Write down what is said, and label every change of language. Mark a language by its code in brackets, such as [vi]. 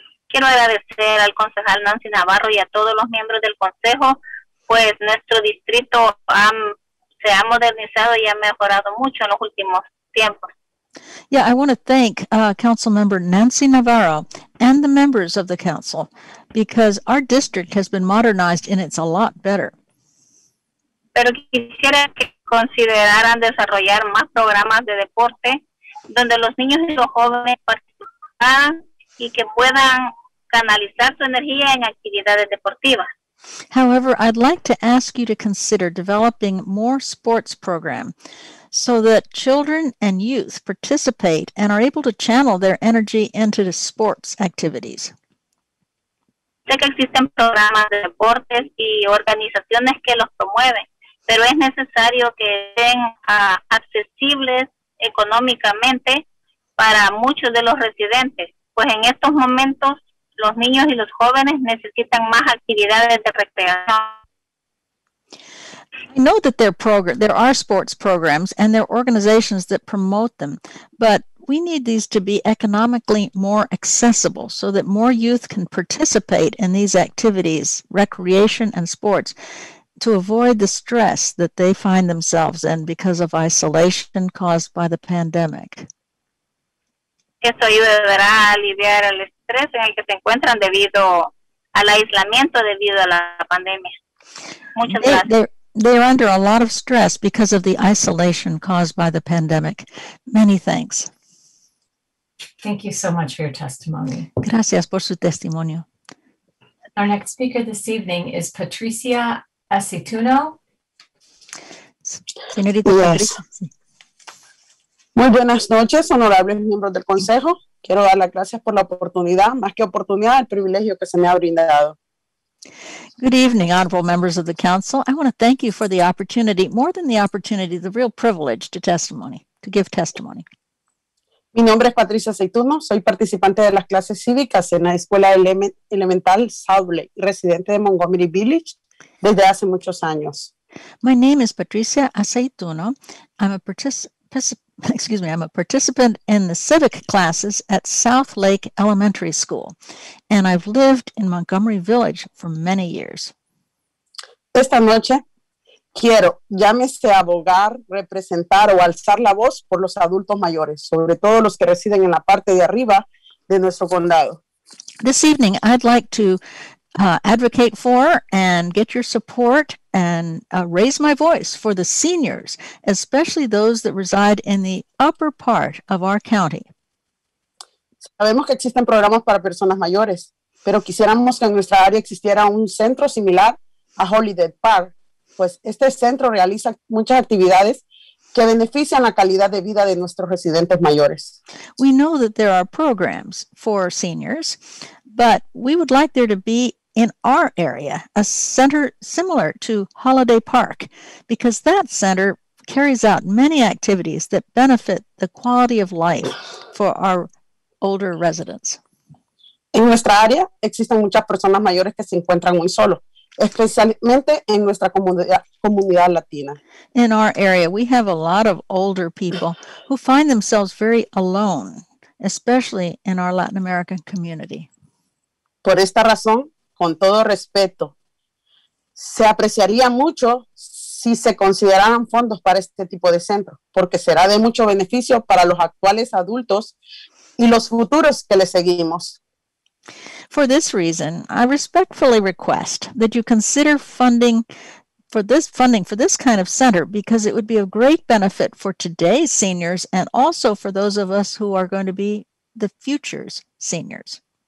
[es] Quiero agradecer al concejal Nancy Navarro y a todos los miembros del consejo, pues nuestro distrito se ha modernizado y ha mejorado mucho en los últimos tiempos. [en] Yeah, I want to thank Councilmember Nancy Navarro and the members of the council because our district has been modernized and it's a lot better. [es] Pero quisiera que consideraran desarrollar más programas de deporte donde los niños y los jóvenes participaran y que puedan canalizar su energía en actividades deportivas. [en] However, I'd like to ask you to consider developing more sports programs so that children and youth participate and are able to channel their energy into the sports activities. [es] Sé que existen programas de deportes y organizaciones que los promueven, pero es necesario que estén accesibles económicamente para muchos de los residentes, pues en estos momentos los niños y los jóvenes necesitan más actividades de recreación. [en] I know that there are sports programs and there are organizations that promote them, but we need these to be economically more accessible so that more youth can participate in these activities, recreation and sports, to avoid the stress that they find themselves in because of isolation caused by the pandemic. [es] Esto ayudará a aliviar el estrés en el que se encuentran debido al aislamiento debido a la pandemia. Muchas gracias. [en] They're under a lot of stress because of the isolation caused by the pandemic. Many thanks. Thank you so much for your testimony. [es] Gracias por su testimonio. [en] Our next speaker this evening is Patricia Aceituno. [es] Señorita yes. Patricia. Muy buenas noches, honorables miembros del consejo. Quiero dar las gracias por la oportunidad, más que oportunidad, el privilegio que se me ha brindado. [en] Good evening, honorable members of the council. I want to thank you for the opportunity, more than the opportunity, the real privilege to give testimony. [es] Mi nombre es Patricia Aceituno. Soy participante de las clases cívicas en la Escuela Elemental South Lake, residente de Montgomery Village desde hace muchos años. [en] My name is Patricia Aceituno. I'm a participant in the civic classes at South Lake Elementary School, and I've lived in Montgomery Village for many years. [es] Esta noche quiero llámese abogar, representar o alzar la voz por los adultos mayores, sobre todo los que residen en la parte de arriba de nuestro condado. [en] This evening, I'd like to advocate for and get your support and raise my voice for the seniors, especially those that reside in the upper part of our county. [es] Sabemos que existen programas para personas mayores, pero quisiéramos que en nuestra área existiera un centro similar a Holiday Park, pues este centro realiza muchas actividades que benefician la calidad de vida de nuestros residentes mayores. [en] We know that there are programs for seniors, but we would like there to be in our area, a center similar to Holiday Park, because that center carries out many activities that benefit the quality of life for our older residents. [es] En nuestra área existen muchas personas mayores que se encuentran muy solo, especialmente en nuestra comunidad latina. [en] In our area, we have a lot of older people who find themselves very alone, especially in our Latin American community. [es] Por esta razón, con todo respeto, se apreciaría mucho si se consideraran fondos para este tipo de centro, porque será de mucho beneficio para los actuales adultos y los futuros que les seguimos. [en] For this reason, I respectfully request that you consider funding for this kind of center, because it would be of great benefit for today's seniors and also for those of us who are going to be the future's seniors.